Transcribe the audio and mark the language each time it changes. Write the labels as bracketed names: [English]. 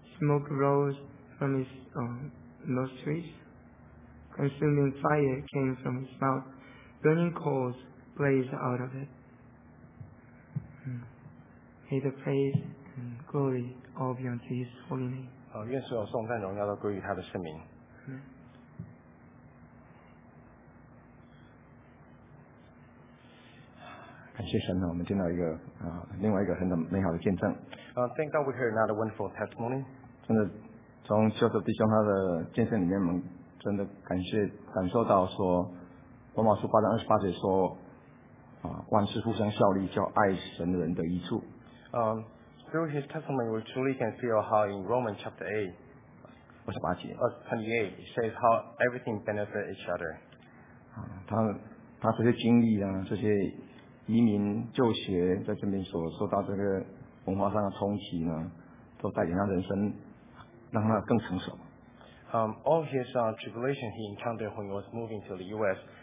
[English] Smoke rose from his nostrils. Consuming fire came from his mouth. Burning coals blazed out of it. May the praise and glory all be unto his holy name. [Chinese] 愿所有颂赞荣耀都归于他的圣名。感谢神，我们见到一个另外一个很美好的见证。 [English] Thank God we heard another wonderful testimony. [Chinese] 真的，从秀秀弟兄他的见证里面，我们真的感谢感受到说，罗马书八章二十八节说，万事互相效力，叫爱神的人得益处。 [English] Through his testimony, we truly can feel how in Romans chapter 8, [Chinese] 二十八节 [English] 28, it says how everything benefits each other. [Chinese] 他这些经历啊，这些移民就学在这边所受到这个文化上的冲击呢，都带给他人生，让他更成熟。 [English] All his tribulation he encountered when he was moving to the U.S.